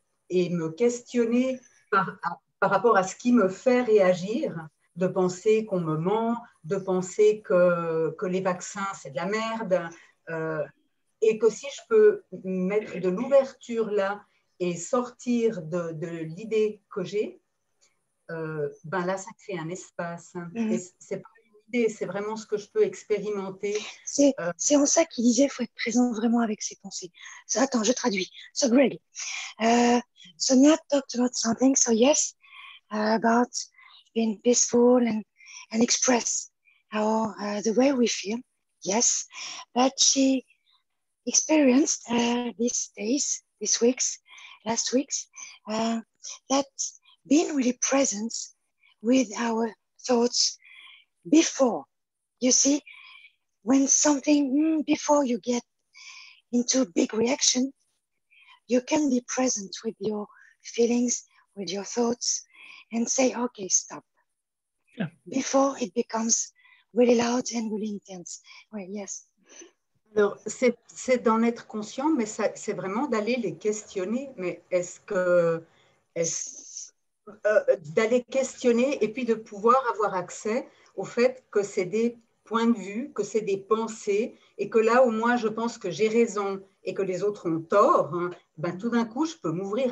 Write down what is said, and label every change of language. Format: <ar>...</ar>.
<fr>me questionner par rapport à ce qui me fait réagir, de penser qu'on me ment, de penser que les vaccins, c'est de la merde, et que si je peux mettre de l'ouverture là, et sortir de l'idée que j'ai, ben là, ça crée un espace. Hein. Mmh. Et c'est pas une idée, c'est vraiment ce que je peux expérimenter. C'est en ça qu'il disait, il faut être présent vraiment avec ses pensées. Attends, je traduis.</fr> <en>So, Greg, Sonia talked about something, so yes, about being peaceful and express how, the way we feel, yes, but she experienced these days, these weeks, last week's, that being really present with our thoughts before, you see, when something, before you get into big reaction, you can be present with your feelings, with your thoughts, and say, okay, stop. Yeah. Before it becomes really loud and really intense. Well, yes.</en> <fr>Alors, c'est d'en être conscient, mais ça, c'est vraiment d'aller les questionner. Mais d'aller questionner et puis de pouvoir avoir accès au fait que c'est des points de vue, que c'est des pensées, et que là, au moins, je pense que j'ai raison et que les autres ont tort, hein, ben, tout d'un coup, je peux m'ouvrir.</fr>